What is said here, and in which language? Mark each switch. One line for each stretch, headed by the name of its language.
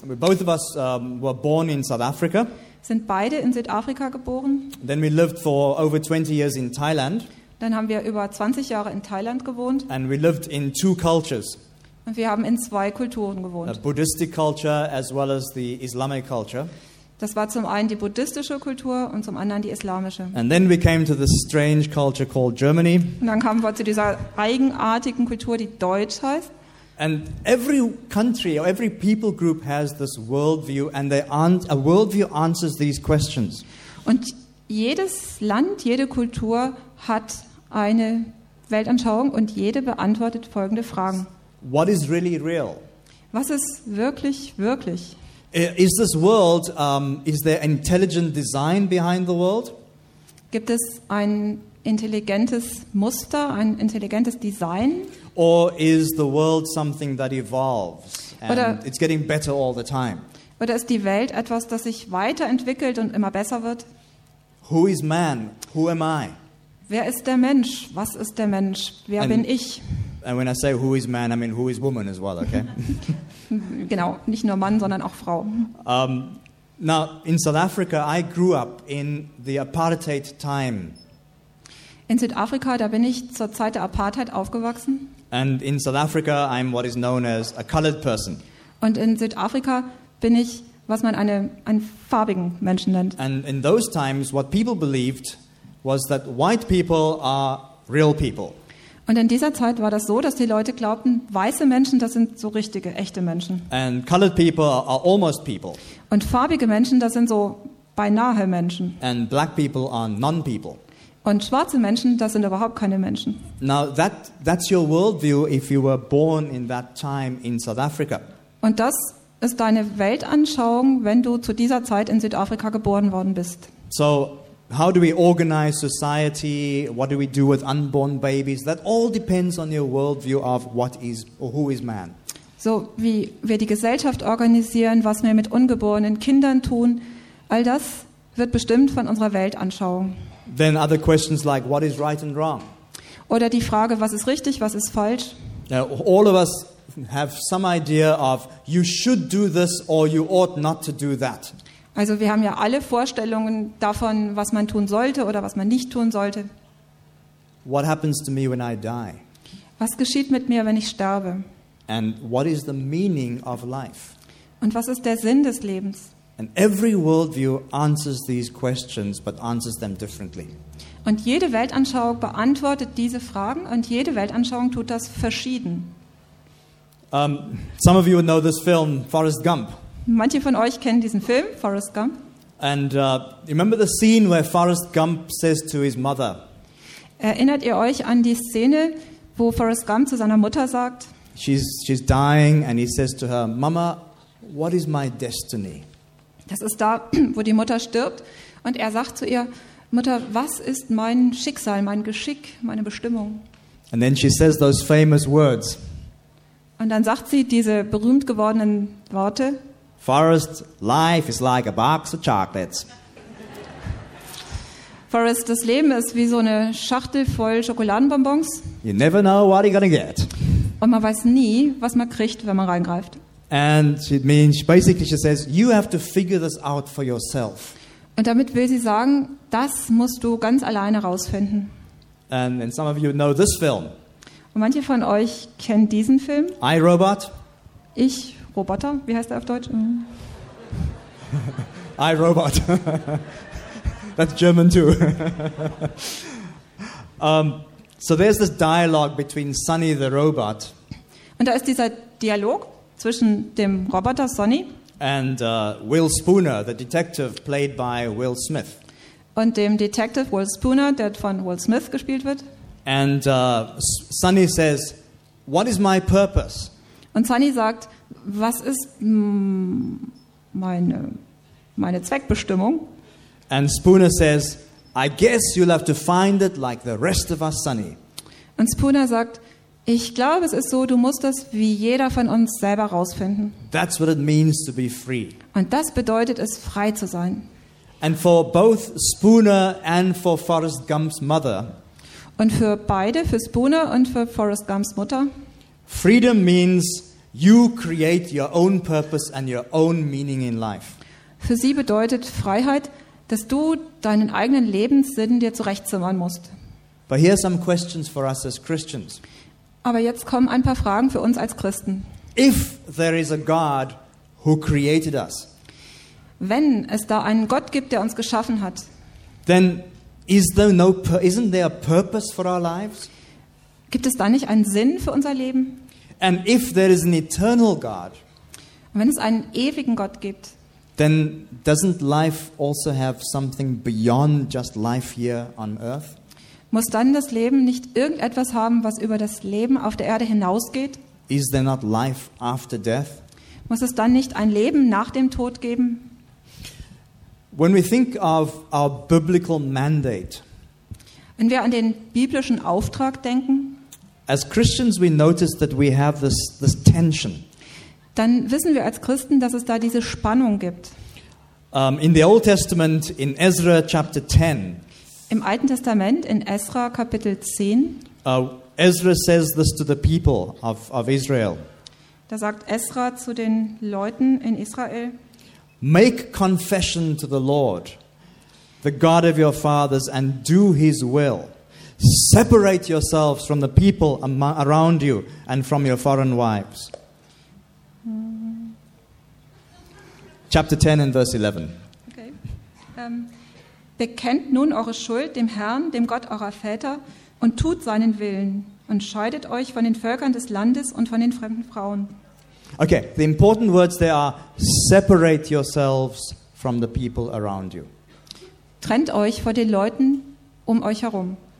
English: We both of us were born in South Africa.
German: Sind beide in Südafrika geboren.
English: Then we lived for over 20 years in Thailand.
German: Dann haben wir über 20 Jahre in Thailand gewohnt.
English: And we lived in two cultures.
German: Und wir haben in zwei Kulturen gewohnt.
English: The Buddhistic culture as well as the Islamic culture.
German: Das war zum einen die buddhistische Kultur und zum anderen die islamische.
English: And then we came to this strange culture called Germany.
German: Und dann kamen wir zu dieser eigenartigen Kultur, die Deutsch heißt.
English: And every country or every people group has this worldview, and a worldview answers these questions.
German: Und jedes Land, jede Kultur hat eine Weltanschauung und jede beantwortet folgende Fragen.
English: What is really real?
German: Was ist wirklich wirklich?
English: Is this world, is there intelligent design behind the world?
German: Gibt es ein intelligentes Muster, ein intelligentes Design?
English: Or is the world something that evolves and it's getting better all the time?
German: Oder ist die Welt etwas, das sich weiterentwickelt und immer besser wird?
English: Who is man? Who am I?
German: Wer ist der Mensch? Was ist der Mensch? Wer bin ich?
English: And when I say who is man, I mean who is woman as well, okay?
German: Genau, nicht nur Mann, sondern auch Frau.
English: Now, in South Africa, I grew up in the apartheid time.
German: In Südafrika, da bin ich zur Zeit der Apartheid aufgewachsen.
English: And in South Africa, I'm what is known as a colored person.
German: Und in Südafrika bin ich, was man einen farbigen Menschen nennt.
English: And in those times, what people believed was that white people are real people.
German: Und in dieser Zeit war das so, dass die Leute glaubten, weiße Menschen, das sind so richtige, echte Menschen.
English: And colored people are almost people.
German: Und farbige Menschen, das sind so beinahe Menschen.
English: And black people are non-people.
German: Und schwarze Menschen, das sind überhaupt keine Menschen.
English: Now that's your worldview if you were born in that time in South Africa.
German: Und das ist deine Weltanschauung, wenn du zu dieser Zeit in Südafrika geboren worden bist.
English: So how do we organize society? What do we do with unborn babies? That all depends on your worldview of what is or who is man.
German: So wie wir die Gesellschaft organisieren, was wir mit ungeborenen Kindern tun, all das wird bestimmt von unserer Weltanschauung.
English: Then other questions like what is right and wrong?
German: Oder die Frage, was ist richtig, was ist falsch?
English: Now, all of us have some idea of you should do this or you ought not to do that.
German: Also wir haben ja alle Vorstellungen davon, was man tun sollte oder was man nicht tun sollte.
English: What happens to me when I die?
German: Was geschieht mit mir, wenn ich sterbe?
English: And what is the meaning of life?
German: Und was ist der Sinn des Lebens?
English: And every worldview answers these questions, but answers them differently.
German: Und jede Weltanschauung beantwortet diese Fragen und jede Weltanschauung tut das verschieden.
English: Some of you know this film, Forrest Gump.
German: Manche von euch kennen diesen Film, Forrest Gump.
English: And remember the scene where Forrest Gump says to his mother.
German: Erinnert ihr euch an die Szene, wo Forrest Gump zu seiner Mutter sagt?
English: She's dying and he says to her, Mama, what is my destiny?
German: Das ist da, wo die Mutter stirbt und er sagt zu ihr, Mutter, was ist mein Schicksal, mein Geschick, meine Bestimmung?
English: And then she says those famous words.
German: Und dann sagt sie diese berühmt gewordenen Worte.
English: Forrest, life is like a box of chocolates.
German: Forrest, das Leben ist wie so eine Schachtel voll Schokoladenbonbons.
English: You never know what you're gonna get.
German: Und man weiß nie, was man kriegt, wenn man reingreift.
English: And it means basically she says you have to figure this out for yourself.
German: Und damit will sie sagen, das musst du ganz alleine rausfinden.
English: And some of you know this film.
German: Und manche von euch kennen diesen Film?
English: I Robot.
German: Ich Roboter, wie heißt der auf Deutsch?
English: I Robot. That's German too. So there's this dialogue between Sonny the Robot.
German: Und da ist dieser Dialog zwischen dem Roboter Sonny
English: and Will Spooner, the detective played by Will Smith.
German: Und dem Detective Will Spooner, der von Will Smith gespielt wird.
English: And Sonny says, "What is my purpose?"
German: Und Sonny sagt, was ist meine Zweckbestimmung?
English: And Spooner says, "I guess you'll have to find it like the rest of us, Sonny."
German: Und Spooner sagt, ich glaube, es ist so, du musst das wie jeder von uns selber rausfinden.
English: That's what it means to be free.
German: Und das bedeutet es, frei zu sein.
English: And for both Spooner and for Forrest Gump's mother.
German: Und für beide, für Spooner und für Forrest Gumps Mutter.
English: Freedom means you create your own purpose and your own meaning in life.
German: Für sie bedeutet Freiheit, dass du deinen eigenen Lebenssinn dir zurechtzimmern musst.
English: But here are some questions for us as Christians.
German: Aber jetzt kommen ein paar Fragen für uns als Christen.
English: If there is a God who created us,
German: wenn es da einen Gott gibt, der uns geschaffen hat,
English: then is there no, isn't there a purpose for our lives?
German: Gibt es da nicht einen Sinn für unser Leben?
English: And if there is an eternal God,
German: und wenn es einen ewigen Gott gibt,
English: then doesn't life also have something beyond just life here on earth?
German: Muss dann das Leben nicht irgendetwas haben, was über das Leben auf der Erde hinausgeht?
English: Is there not life after death?
German: Muss es dann nicht ein Leben nach dem Tod geben?
English: When we think of our biblical mandate,
German: wenn wir an den biblischen Auftrag denken,
English: as Christians we notice that we have this tension.
German: Dann wissen wir als Christen, dass es da diese Spannung gibt.
English: In the Old Testament, in Ezra chapter 10,
German: im Alten Testament, in Ezra Kapitel 10,
English: Ezra says this to the people of Israel.
German: Da sagt Ezra zu den Leuten in Israel,
English: make confession to the Lord, the God of your fathers, and do his will. Separate yourselves from the people around you and from your foreign wives. Chapter 10 and verse 11. Okay.
German: Bekennt nun eure Schuld dem Herrn, dem Gott eurer Väter, und tut seinen Willen und scheidet euch von den Völkern des Landes und von den fremden Frauen.
English: Okay, the important words there are separate yourselves from the people around you.
German: Trennt euch vor den Leuten um euch herum.